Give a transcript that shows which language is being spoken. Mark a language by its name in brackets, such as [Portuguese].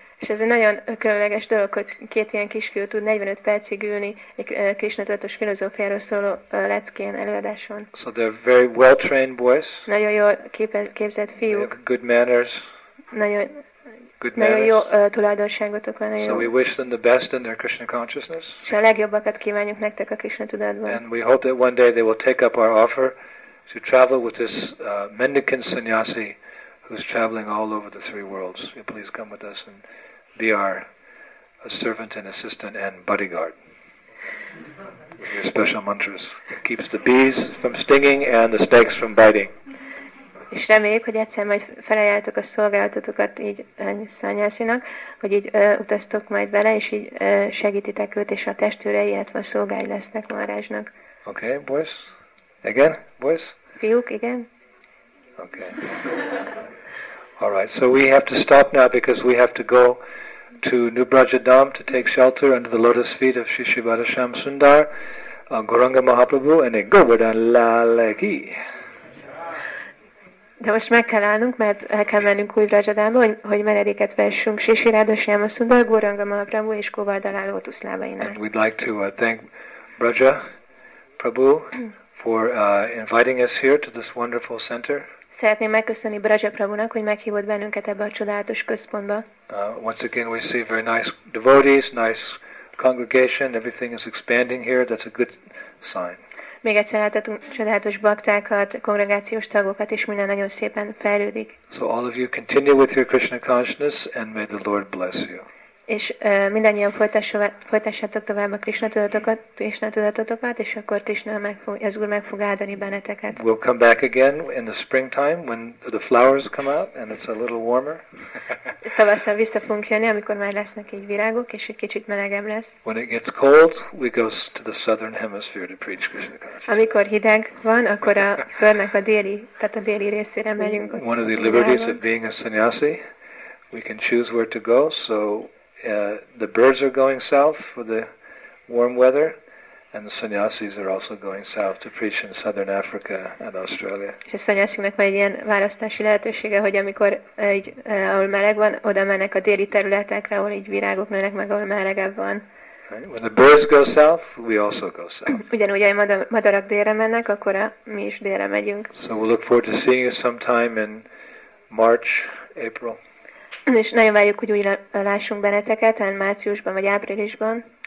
[Hungarian] És ez egy nagyon különleges dolog, hogy két ilyen kisfiú tud 45 percig ülni egy Krishna tudatos filozófiáról szóló leckén előadáson. [English] So they're very well trained boys. [Hungarian] Nagyon jól képzett fiúk. [English] Good manners. [Hungarian] Nagyon jó tulajdonságotok van. [English] So we wish them the best in their Krishna consciousness. [Hungarian] És a legjobbakat kívánjuk nektek a Krishna tudatban. [English] And we hope that one day they will take up our offer to travel with this mendicant sannyasi who's traveling all over the three worlds. You please come with us and be our servant and assistant and bodyguard. With your special mantras. It keeps the bees from stinging and the snakes from biting. [Hungarian] És reméljük, hogy egyszer majd felajánljátok a szolgálatotokat így szanyászinak, hogy így utaztok majd bele, és így segítitek őt és a testőre, illetve a szolgái lesznek Maharajnak. [English] Okay, boys? Again, boys? [Hungarian] Fiúk, igen. [English] Okay. All right, so we have to stop now because we have to go to New Brajadam to take shelter under the lotus feet of Shishibhadrasham Sundar. a Goranga Mahaprabhu and a Govardhan Lalaki. [Hungarian] De most meg kell állnunk, mert el kell mennünk új Vrajadába, hogy meredéket vessünk Sisi Ráda Sáma Szundar, Goranga Mahaprabhu és Govardhana Lótus lábainak. [English] And we'd like to thank Vraja Prabhu for inviting us here to this wonderful center. [Hungarian] Szeretném megköszönni Vraja Prabhunak, hogy meghívott bennünket ebbe a csodálatos központba. [English] Once again we see very nice devotees, nice congregation, everything is expanding here, that's a good sign. [Hungarian] Még egyszer láthatunk csodálatos baktákat, kongregációs tagokat, és minden nagyon szépen fejlődik. [English] So all of you continue with your Krishna consciousness, and may the Lord bless you. [Hungarian] És mindannyian folytassátok tovább a Krishna tudatotokat, és akkor Krishna meg fog áldani benneteket. [English] We'll come back again in the springtime when the flowers come out and it's a little warmer. [Hungarian] Tavasszal vissza fogunk jönni, amikor már lesznek így virágok, és egy kicsit melegebb lesz. [English] When it gets cold, we go to the southern hemisphere to preach Krishna consciousness. [Hungarian] Amikor hideg van, akkor a földnek a déli részére megyünk. [English] One of the liberties of being a sannyasi, we can choose where to go, so the birds are going south for the warm weather, and the sannyasis are also going south to preach in southern Africa and Australia. [Hungarian] És a sannyasiknak van egy ilyen választási lehetősége, hogy amikor egy ahol meleg van, oda mennek a déli területekre, ahol így virágok nőnek meg, ahol melegebb van. [English] When the birds go south, we also go south. [Hungarian] Ugyanúgy, hogy a madarak délre mennek, akkor mi is délre megyünk. [English] So we'll look forward to seeing you sometime in March, April. [Hungarian] És nagyon várjuk, hogy újra lássunk benneteket, talán márciusban vagy áprilisban.